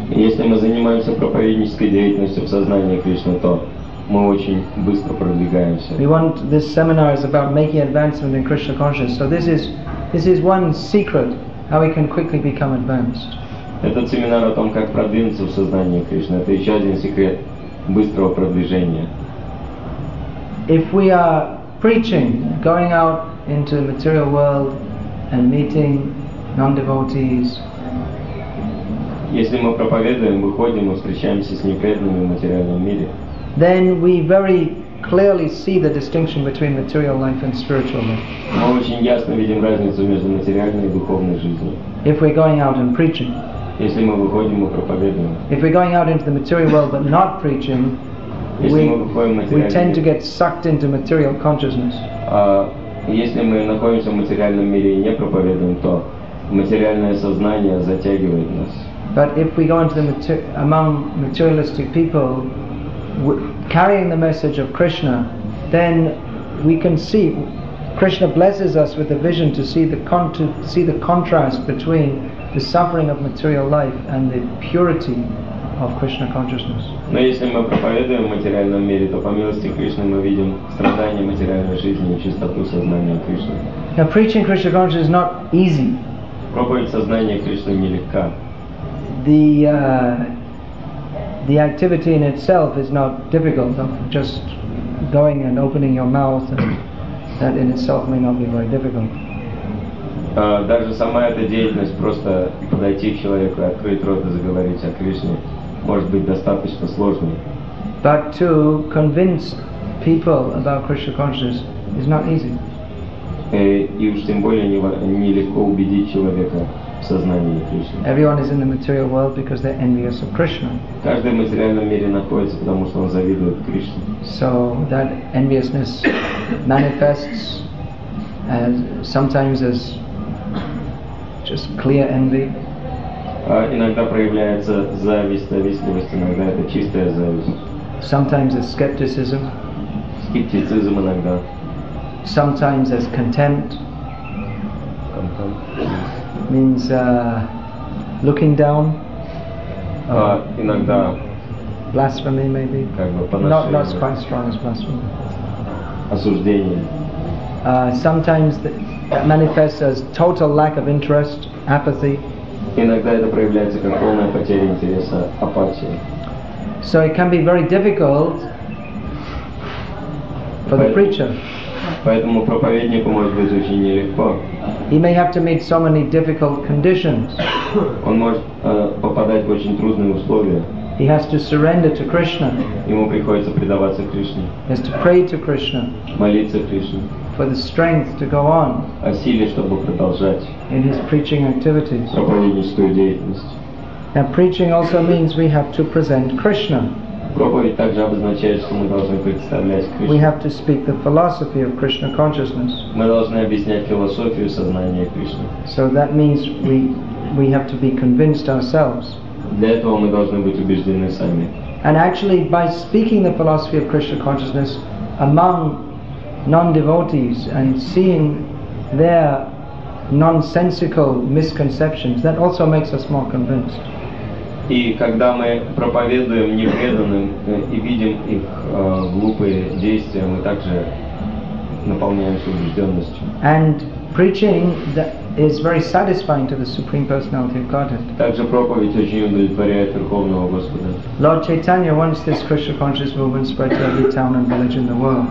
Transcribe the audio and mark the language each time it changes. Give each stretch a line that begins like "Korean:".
Russian: Если мы занимаемся проповеднической деятельностью в сознании Кришны, то мы очень быстро продвигаемся.
English: We want this seminar is about making advancement in Krishna consciousness. So this is one secret how we can quickly become advanced.
Russian: Этот семинар о том, как продвинуться в сознании Кришны, это еще один секрет быстрого продвижения.
English: If we are preaching, going out into the material world and meeting non-devotees.
Russian: Если мы проповедуем, выходим и встречаемся с непреданными в материальном мире.
English: Then we very clearly see the distinction between material life and spiritual life.
Russian: Мы очень ясно видим разницу между материальной и духовной жизнью.
English: If we're going out and preaching.
Russian: Если мы выходим и проповедуем.
English: If we're going out into the material world but not preaching, we tend to get sucked into material consciousness.
Russian: Если мы находимся в материальном мире и не проповедуем, то материальное сознание затягивает нас.
English: But if we go into the among materialistic people, carrying the message of Krishna, then we can see Krishna blesses us with a vision to see the contrast between the suffering of material life and the purity of Krishna consciousness.
Russian: Но если мы проповедуем в материальном мире, то по милости Кришны мы видим страдания материальной жизни и чистоту сознания Кришны.
English: Now preaching Krishna consciousness is not easy.
Russian: Проповедь сознания Кришны нелегка.
English: The activity in itself is not difficult. Just going and opening your mouth, and that in itself may not be very difficult.
Russian: Даже сама эта деятельность, просто подойти к человеку, открыть рот и заговорить о Кришне, может быть достаточно сложной.
English: But to convince people about Krishna consciousness is not easy.
Russian: И уж тем более нелегко убедить человека в сознании Кришны.
English: Everyone is in the material world because they're envious of Krishna.
Russian: Каждый в материальном мире находится, потому что он завидует Кришне.
English: So that enviousness manifests as sometimes as just clear envy.
Russian: Иногда проявляется зависть, завистливость, иногда это чистая зависть.
English: Sometimes as skepticism.
Russian: Скептицизм иногда.
English: Sometimes as contempt. Contempt. Means looking down.
Russian: Иногда.
English: Blasphemy maybe.
Russian: Как бы поношение.
English: Not quite strong as blasphemy.
Russian: Осуждение.
English: Sometimes that manifests as total lack of interest, apathy.
Russian: Иногда это проявляется как полная потеря интереса, апатия.
English: So it can be very difficult for the preacher.
Russian: Поэтому проповеднику может быть очень нелегко.
English: He may have to meet so many difficult conditions.
Russian: Он может попадать в очень трудные условия.
English: He has to surrender to Krishna.
Russian: Ему приходится предаваться Кришне.
English: He has to pray to Krishna.
Russian: Молиться Кришне.
English: For the strength to go on.
Russian: О силе, чтобы продолжать.
English: In his preaching activities.
Russian: Проповедническую деятельность.
English: Now preaching also means we have to present Krishna.
Russian: Проповедь также обозначает, что мы должны представлять Кришну.
English: We have to speak the philosophy of Krishna consciousness.
Russian: Мы должны объяснять философию сознания Кришны.
English: So that means we have to be convinced ourselves.
Russian: Для этого мы должны быть убеждены сами.
English: And actually, by speaking the philosophy of Krishna consciousness among non-devotees and seeing their nonsensical misconceptions, that also makes us more convinced.
Russian: И когда мы проповедуем непреданным и видим их глупые действия, мы также наполняемся убежденностью.
English: And preaching is very satisfying to the Supreme Personality of Godhead.
Russian: Также проповедь очень удовлетворяет Верховного Господа.
English: Lord Chaitanya wants this Krishna conscious movement spread to every town and village in the world.